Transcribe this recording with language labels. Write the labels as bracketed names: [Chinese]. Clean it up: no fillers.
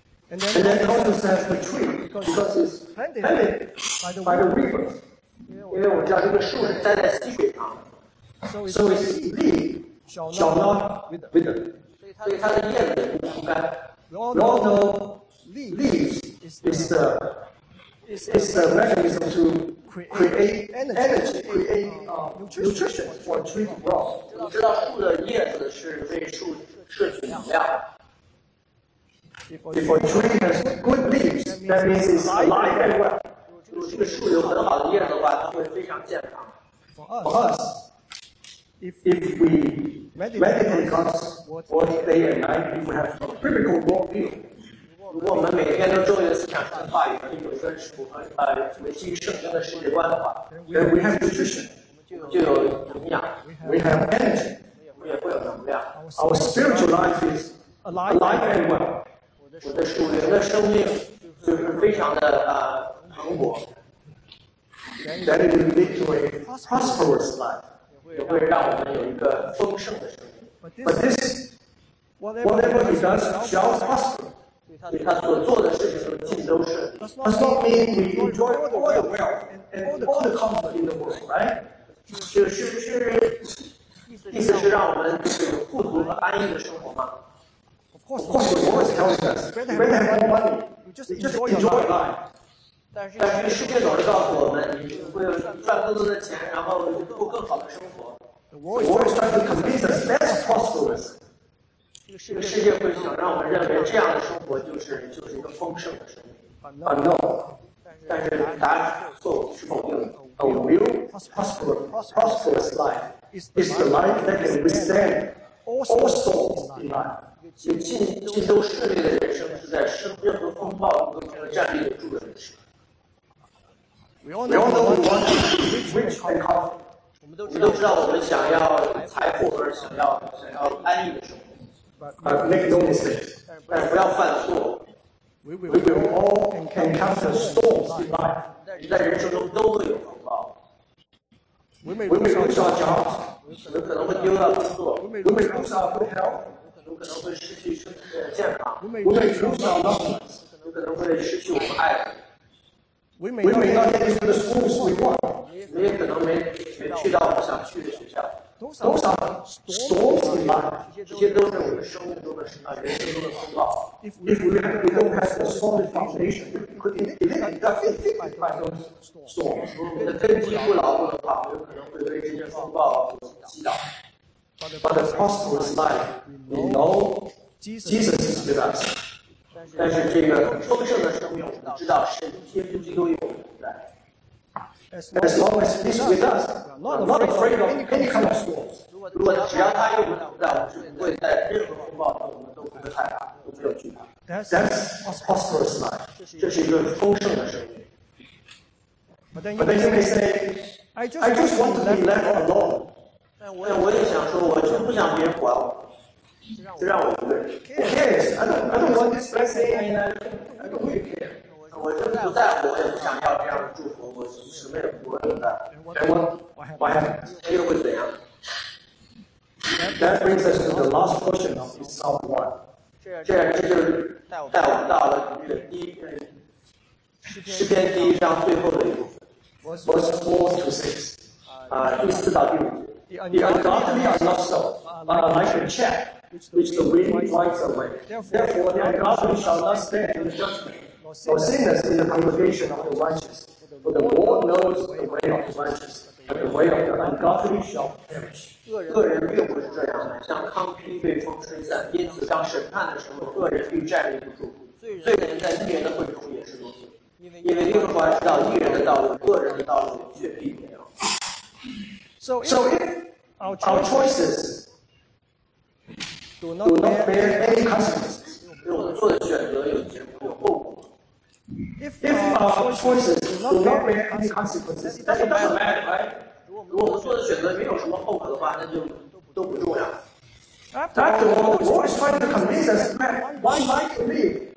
[English] And then it also says the tree, because it's planted by the river. [Chinese] 因为我知道这个树是栽在溪水上的 [English] So its leaf shall not wither [Chinese] 所以它的叶子也不枯干 [English] We all know leaves is the mechanism to create nutrition for a tree to grow [Chinese] 我知道树的叶子是为树摄取能量 [English] If a tree has good leaves that means it's alive and well [Chinese] 这个树有很好的叶子的话，它会非常健康。 [English] For us, if we meditate God's word day and night, we will have a biblical worldview. [Chinese] 如果我们每天都昼夜思想神的话语，并有一份属为基于圣经的世界观的话 [English] ，then we have nutrition, [Chinese] 就有营养。 [English] We have energy, [Chinese] 我也会有能量。 [English] Our spiritual life is alive and well. [Chinese] 我的属灵的生命就是非常的 [English] That it will lead to a prosperous life. It will [Chinese] 让我们有一个丰盛的生命 [English] But this, whatever he does, shall prosper. [Chinese] 所以他所做的事情尽都顺利 [English] Does not mean we enjoy all the wealth and all the comfort in the world, right? [Chinese] 就是意思是让我们有富足和安逸的生活吗？ [English] Of course, the world is telling us, rather have more money, just enjoy your life. [Chinese] 但是世界总是告诉我们，你会赚更多的钱，然后过更好的生活。 [English] The world is trying to convince us that's prosperous. [Chinese] 这个世界会想让我们认为这样的生活就是一个丰盛的生命。 [English] But no. [Chinese] 但是答案是否定的。 [English] A real prosperous life is the life that can withstand all storms in life. [Chinese] 有尽都顺利的人生，是在任何风暴都能够站立得住的人生。 [English] We all know we want to be rich and comfortable. [Chinese] 我们都知道我们想要财富而想要安逸的生活。 [English] But make no mistake, [Chinese] 但不要犯错。 [English] We will all encounter storms in life. [Chinese] 在人生中都会有风暴。 [English] We may lose our jobs. [Chinese] 我们可能会丢掉工作。 [English] We may lose our good health. [Chinese] 可能会失去健康， [English] we may lose our loved ones. [Chinese] 可能会失去我们爱的。 [English] We may not get into the schools we want. [Chinese] 你也可能没去到我想去的学校。 [English] Those are storms in life. [Chinese] 这些都是我们生命中的人生中的风暴。 [English] If we don't have a solid foundation, we could be hit by those storms. [Chinese] 我们的根基不牢固的话，有可能会被这些风暴所击倒。 [English] But a prosperous life, we know Jesus is with us. [Chinese] 但是这个丰盛的生命，我们知道神天父基督与我们同在。 [English] As long as He's with us, we're not afraid of any kind of storm. [Chinese] 如果只要他与我们同在，我们是不会在任何风暴中，我们都不会害怕，都不会惧怕。 [English] That's a prosperous life. [Chinese] 这是一个丰盛的生命。 [English] But then you may say, I just want to be left alone. [Chinese] 但我也想说，我真不想别人管我，就让我一个人。 [English] Yes, I don't want this blessing, and I don't really care. [Chinese] 我真不在乎，我也不想要这样的祝福，我什么也不会明白。 [English] And what happens? [Chinese] 今天又会怎样 [English] ？That brings us to the last portion of this Psalm 1. [Chinese] 这就带我们到了这第一篇诗篇第一章最后的一部分 [English] ，verse 4-6. [Chinese] 第四到第五节。 [English] The ungodly are not so, but are like a chaff which the wind drives away. Therefore, the ungodly shall not stand in the judgment, nor sinners in the congregation of the righteous. For the Lord knows the way of the righteous, but the way of the ungodly shall perish. [Chinese] 个人并不是这样的，像糠秕被风吹散，因此当审判的时候，个人必站立不住。罪人在义人的会中也是如此，因为耶和华知道义人的道路，个人的道路却必没有。 [English] So if our choices do not bear any consequences, if our choices do not bear any consequences, that doesn't matter, right? [Chinese] 如果我们做的选择没有什么后果的话，那就都不重要。 [English] After all, the Lord is trying to convince us, man, why might you leave?